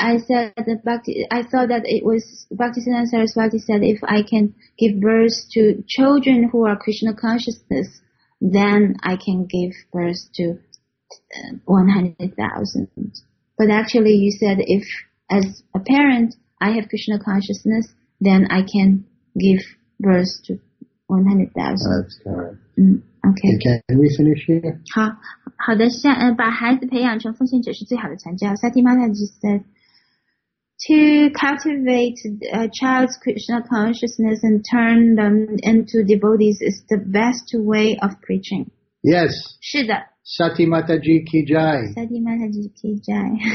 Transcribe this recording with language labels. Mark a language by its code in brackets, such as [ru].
[en] I thought that it was Bhaktisiddhanta Saraswati said if I can give birth to children who are Krishna consciousness, then I can give birth to 100,000. But actually you said if as a parent I have Krishna consciousness, then I can give birth to 100,000. That's correct. Okay. Can we finish here? [zh] 好的，把孩子培养成奉献者是最好的传教。 [en] Sati Mataji said, to cultivate a child's Krishna consciousness and turn them into devotees is the best way of preaching. Yes. [zh] 是的。 [hi] Sati Mataji Ki Jai. Sati Mataji Ki Jai.